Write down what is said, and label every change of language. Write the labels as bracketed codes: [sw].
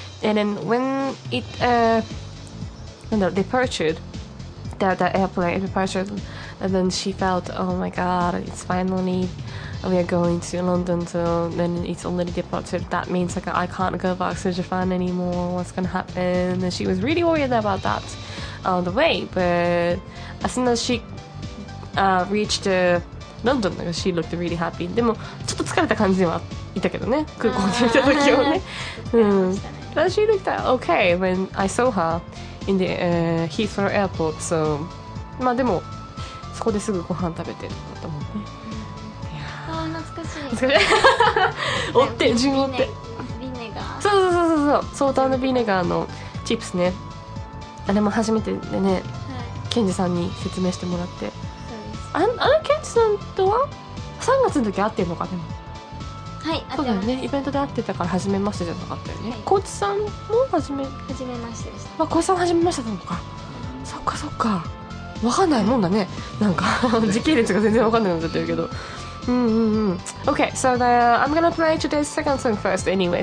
[en] And then when it departed the airplane departed, and then she felt, oh my god, it's finally we are going to London, so then it's already departed, that means like I can't go back to Japan anymore, what's gonna happen? And she was really worried about that on the way, but as soon as she reached London, she looked really happy. [ja] でもちょっと疲れた感じではいたけどね、空港に行った時はね。 [en] うん。She looked okay when I saw her in the Heathrow Airport. [ja] So, まあでもそこですぐご飯食べてると思って。ああ懐かしい。懐かしい。追って順追って。ビネガー。そうそうそうそうそう。ソーダのビネガーのチップスね。あれも初めてでね、ケンジさんに説明してもらって。あのケンチさんとは3月の時会ってるのかでも。はい、会ってます。そうだよね、イベントで会ってたから初めましてじゃなかったよね。コーチさんも初めましてでした。まあ、コーチさん初めましてなのか、そっかそっか、わかんないもんだね、なんか時系列が全然わかんないのになってるけど。 [en] Okay, so I'm gonna play today's second song first anyway.